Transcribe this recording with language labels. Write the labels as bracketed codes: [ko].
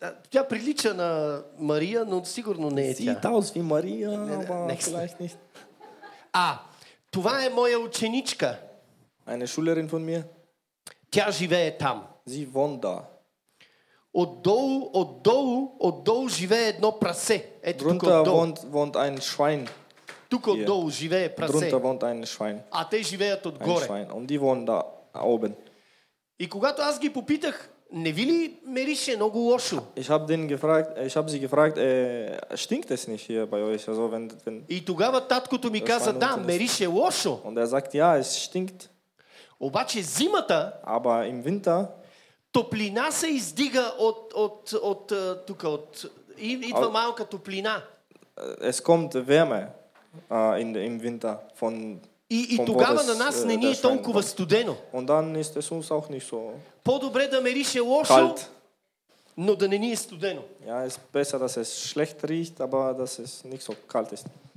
[bg] Тя прилича на Мария, но сигурно не е тя. [de] Sieht aus wie Maria, aber vielleicht nicht. [bg] Това е моя ученичка. [de] Eine Schülerin von mir. [bg] Тя живее там. [de] Sie wohnt da. [bg] Отдолу живее едно прасе. Ето тук отдолу. [de] Drunter wohnt ein Schwein. [bg] Тук отдолу живее прасе. [de] Drunter wohnt ein Schwein. [bg] А те живеят отгоре. [de] Ein Schwein. Und die wohnen da oben. [bg] И когато аз ги попитах, не ви ли мирише много лошо? [de] Ich hab sie gefragt, stinkt es nicht hier bei euch? Also wenn [bg] и тогава таткото ми каза, да, мирише лошо. [de] Und er sagt, ja, es stinkt. [bg] Обаче зимата... [de] Aber im Winter... [bg] Топлина се издига от тук, от идва малка топлина. [de] Es kommt Wärme im Winter von [bg] И тогава на нас не ни е толкова студено. [de] Und dann ist es uns auch nicht so. [bg] По-добре да мирише лошо, [de] kalt. [bg] Но да не ни е студено. [de] Ja, es ist besser, dass es schlecht riecht, aber dass es nicht so kalt ist.